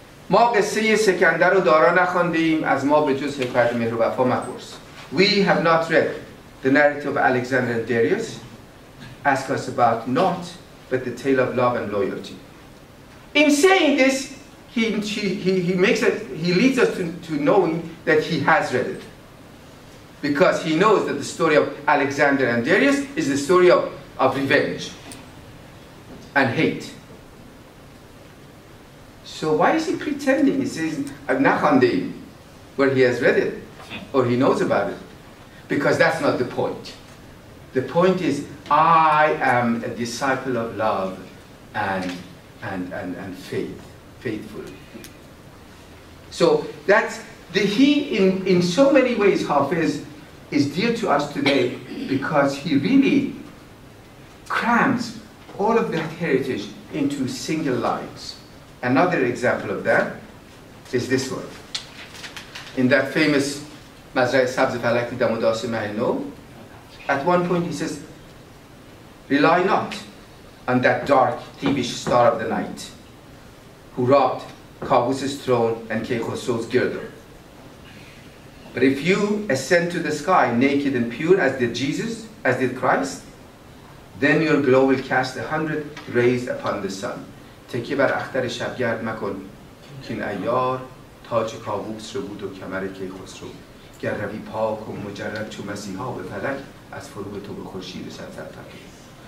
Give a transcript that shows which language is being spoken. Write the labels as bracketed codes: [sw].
[fa] ما قصه سکندر و دارا نخوانده‌ایم از ما به جز حکایت مهر و وفا مپرس. [en] We have not read the narrative of Alexander and Darius. Ask us about not, but the tale of love and loyalty. In saying this, he leads us to knowing that he has read it. Because he knows that the story of Alexander and Darius is the story of revenge and hate. So why is he pretending? He says, Nakhandeim, where he has read it, or he knows about it. Because that's not the point. The point is, I am a disciple of love and faith, faithfully. So that's the he, in so many ways, Hafez is dear to us today because he really crams all of that heritage into single lines. Another example of that is this one. In that famous [fa] مزرعه سبز فلک دیدم و داس مهنو. [en] At one point he says, rely not on that dark, thievish star of the night who robbed Kabus's throne and Kekhosro's girdle. But if you ascend to the sky naked and pure as did Jesus, as did Christ, then your glow will cast 100 rays upon the sun. [fa] تکیه بر اختر شبگرد مکن که این ایار تاج کاووس رو بود و کمر کیخسرو گر روی پاک و مجرد چو مسیحا به فلک از فروغ تو به خورشید رسد سر فقیر.